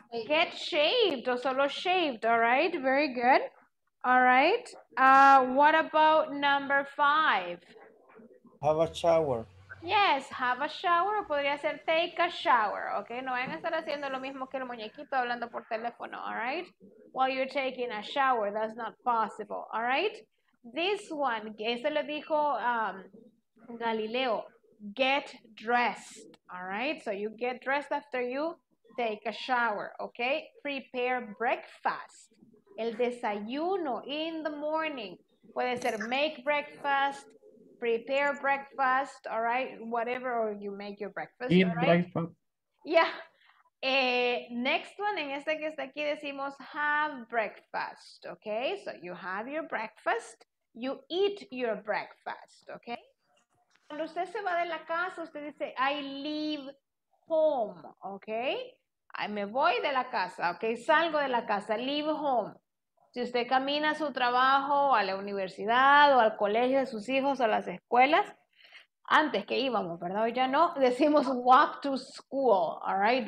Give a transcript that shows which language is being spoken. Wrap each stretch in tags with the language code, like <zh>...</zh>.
<en>Get shaved, o solo shaved, all right, very good. All right, what about number 5? Have a shower. Yes, have a shower, o podría ser take a shower, okay?</en> <es>No vayan a estar haciendo lo mismo que el muñequito hablando por teléfono, all right?</es> <en>While you're taking a shower, that's not possible, all right? This one, eso le dijo Galileo, get dressed, all right? So you get dressed after you take a shower, okay? Prepare breakfast, el desayuno in the morning. Puede ser make breakfast, prepare breakfast, all right? Whatever, or you make your breakfast, eat, all right? Breakfast. Yeah,</en> <es>Next one, en este que está aquí decimos have breakfast, ¿ok?</es> <en>So you have your breakfast, you eat your breakfast, ¿ok?</en> <es>Cuando usted se va de la casa, usted dice I leave home, ¿ok? I me voy de la casa, ¿ok? Salgo de la casa, leave home. Si usted camina a su trabajo, a la universidad o al colegio de sus hijos o a las escuelas, antes que íbamos, ¿verdad? Hoy ya no, decimos walk to school, all right?</es>